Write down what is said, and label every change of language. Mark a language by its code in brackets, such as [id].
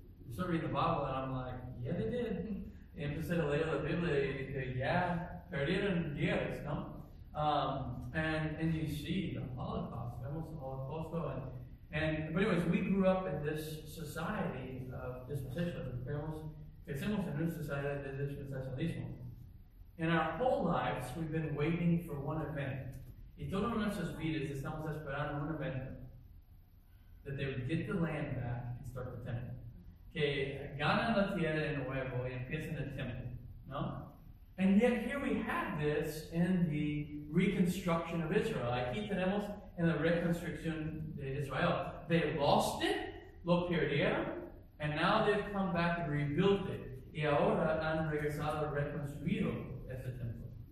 [en] I started reading the Bible and I'm like, yeah, they did. [es] Y empecé a leer la Biblia y dije, yeah, perdieron guerras, ¿no? [en] And you see the Holocaust, [es] vemos el Holocausto. [en] And but anyways, we grew up in this society of dispensationalism. [es] Crecemos en una sociedad de dispensacionalismo. [en] In our whole lives, we've been waiting for one event. [es] Y todas nuestras vidas estamos esperando un evento. [en] That they would get the land back and start the temple. [es] Que ganan la tierra de nuevo y empiezan el temple, ¿no? [en] And yet here we have this in the reconstruction of Israel. [es] Aquí tenemos en la reconstrucción de Israel. [en] They lost it, [es] lo perdieron, [en] and now they've come back and rebuilt it. [es] Y ahora han regresado reconstruido ese templo.